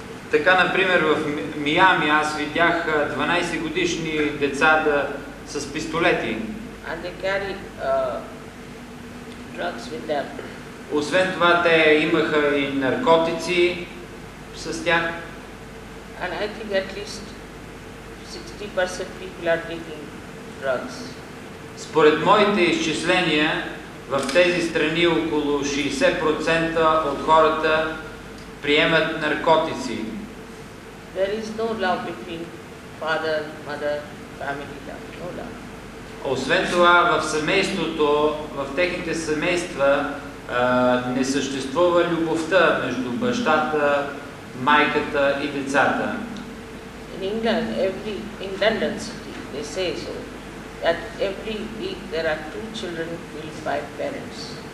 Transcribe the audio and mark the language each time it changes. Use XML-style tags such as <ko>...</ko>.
<bg>Така например в Миами аз видях 12 годишни деца да с пистолети.</bg> <en>And they carry drugs with them.</en> <bg>Освен това те имаха и наркотици с тях.</bg> <en>And I think at least 60% people are taking drugs.</en> <bg>Според моите изчисления, в тези страни около 60% от хората приемат наркотици.</bg> <en>There is no love between father, mother, family love. No love.</en> <bg>Освен това, в семейството, в техните семейства не съществува любовта между бащата, майката и децата.</bg> <en>In England, in London City, they say so, that every week there are two children killed by parents.</en>